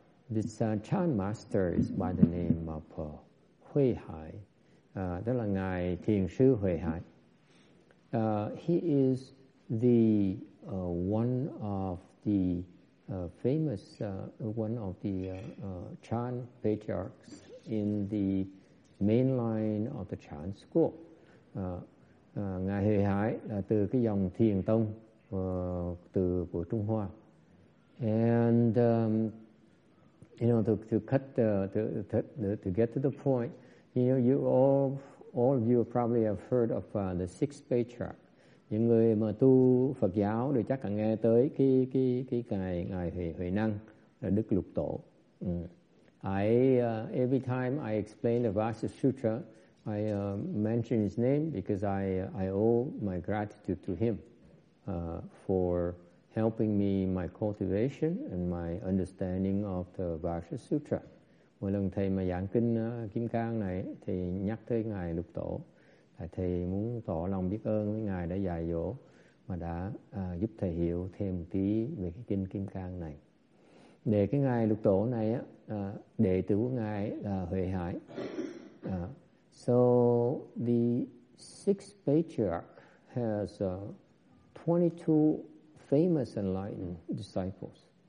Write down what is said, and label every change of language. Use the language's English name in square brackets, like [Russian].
[English] This Chan master is by the name of Hui Hai. [Vietnamese] Đó là ngài thiền sư Hui Hai. [English] He is the one of the famous one of the Chan patriarchs in the main line of the Chan school. [Vietnamese] Ngài Huệ Hải là từ cái dòng Thiền Tông từ của Trung Hoa. [English] And you know, to get to the point, you know, all of you probably have heard of the six patriarch. [Vietnamese] Những người mà tu Phật giáo thì chắc là nghe tới cái ngài Huệ Năng là Đức Lục Tổ. [English] Every time I explain the Vajra Sutra, I mention his name because I owe my gratitude to him for helping me my cultivation and my understanding of the Vajra Sutra. [Vietnamese] Mỗi lần thầy mà giảng kinh Kim Cang này thì nhắc tới ngài Lục Tổ. Thầy muốn tỏ lòng biết ơn với ngài đã dạy dỗ mà đã giúp thầy hiểu thêm một tí về cái kinh Kim Cang này. Để cái ngài Lục Tổ này đệ tử của ngài là Huệ Hải. [English] So the sixth patriarch has 22 famous enlightened disciples.